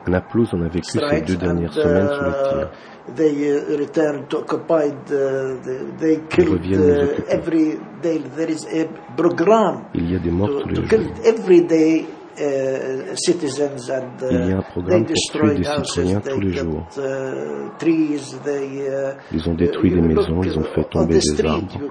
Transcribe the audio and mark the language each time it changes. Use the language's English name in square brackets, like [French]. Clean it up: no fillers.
[French] À Naplouse, on a vécu ces deux dernières semaines sous le tir. [English] They return to occupy they killed every day. There is a program. [French] Il y a des morts tous les jours. [English] To kill every day citizens and [French] il y a un programme pour tuer des citoyens tous les jours. Ils ont détruit des maisons, ils ont fait tomber des arbres.